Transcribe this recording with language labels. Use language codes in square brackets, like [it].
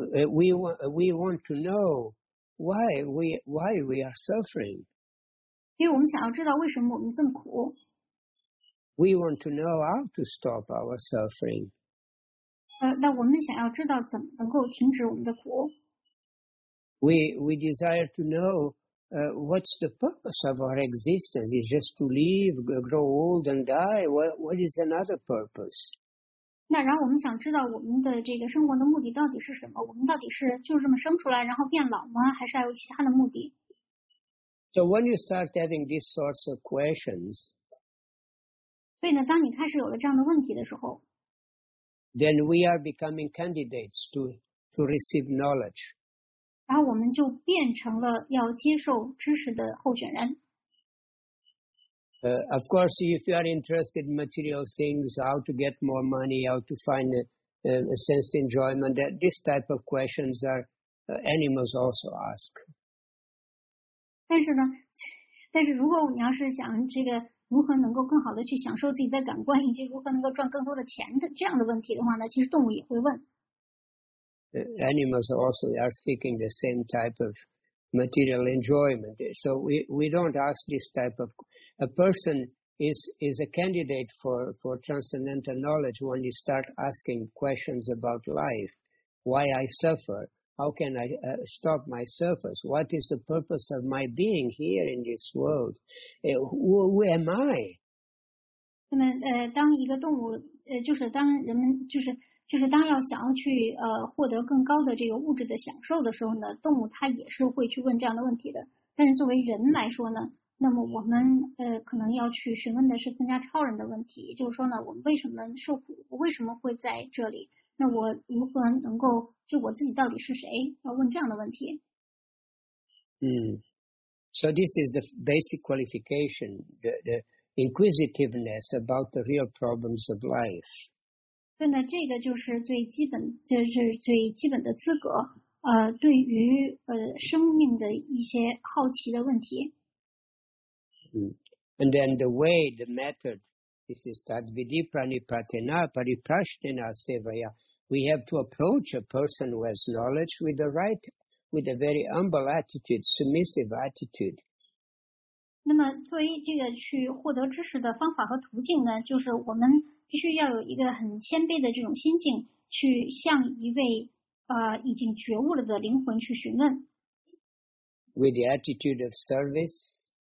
[en] We want to know why we are suffering. [zh] 因为我们想要知道为什么我们这么苦。 [en] We want to know how to stop our suffering. [zh] 那我们想要知道怎么能够停止我们的苦。 [en] We desire to know what's the purpose of our existence. Is just to live, grow old, and die. What is another purpose? [zh] 那然后我们想知道我们的这个生活的目的到底是什么？我们到底是就这么生出来，然后变老吗？还是还有其他的目的 [en] ？So when you start having these sorts of questions. [zh] 所以呢，当你开始有了这样的问题的时候 [en] ，then we are becoming candidates to receive knowledge. [zh] 然后我们就变成了要接受知识的候选人。 [en] Of course, if you are interested in material things, how to get more money, how to find a sense of enjoyment, that this type of questions are animals also ask. [zh] 但是呢，但是如果你要是想这个。如何能够更好的去享受自己的感官，以及如何能够赚更多的钱的这样的问题的话呢？其实动物也会问。 [en] Animals also are seeking the same type of material enjoyment. So we don't ask this type of a person is a candidate for transcendental knowledge when you start asking questions about life. Why I suffer? How can I stop my suffering? What is the purpose of my being here in this world? Who am I? [zh] 那么，当一个动物，就是当人们，就是当要想要去获得更高的这个物质的享受的时候呢，动物它也是会去问这样的问题的。但是作为人来说呢，那么我们可能要去询问的是更加超人的问题，也就是说呢，我们为什么受苦？我为什么会在这里？那我如何能够就我自己到底是谁？要问这样的问题。 [en] So this is the basic qualification, the inquisitiveness about the real problems of life. [zh] 对呢，这个就是最基本，就是最基本的资格。对于生命的一些好奇的问题。 [en] And then the way, the method, this is [sa] tadvidhi pranipatena pariprashtena sevaya. [en] We have to approach a person who has knowledge with the right. With a very humble attitude, submissive attitude. [zh] 那么，作为这个去获得知识的方法和途径呢，就是我们必须要有一个很谦卑的这种心境，去向一位已经觉悟了的灵魂去询问。 [en] With the attitude of service.